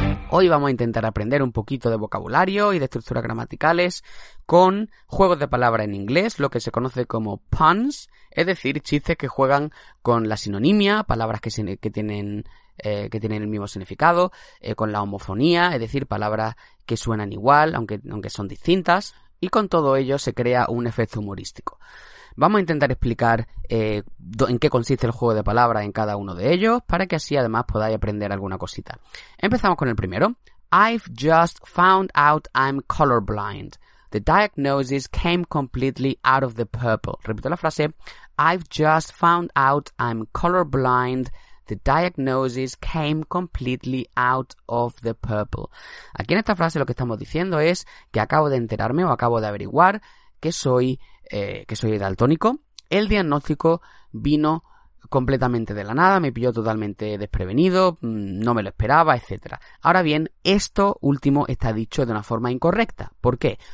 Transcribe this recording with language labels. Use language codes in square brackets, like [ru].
[es] Hoy vamos a intentar aprender un poquito de vocabulario y de estructuras gramaticales con juegos de palabras en inglés, lo que se conoce como puns, es decir, chistes que juegan con la sinonimia, palabras que tienen el mismo significado, con la homofonía, es decir, palabras que suenan igual, aunque son distintas, y con todo ello se crea un efecto humorístico. Vamos a intentar explicar en qué consiste el juego de palabras en cada uno de ellos, para que así además podáis aprender alguna cosita. Empezamos con el primero. [en] I've just found out I'm colorblind. The diagnosis came completely out of the purple. [es] Repito la frase. [en] I've just found out I'm colorblind. The diagnosis came completely out of the purple. [es] Aquí en esta frase lo que estamos diciendo es que acabo de enterarme o acabo de averiguar que soy daltónico. El diagnóstico vino completamente de la nada, me pilló totalmente desprevenido, no me lo esperaba, etcétera. Ahora bien, esto último está dicho de una forma incorrecta. ¿Por qué?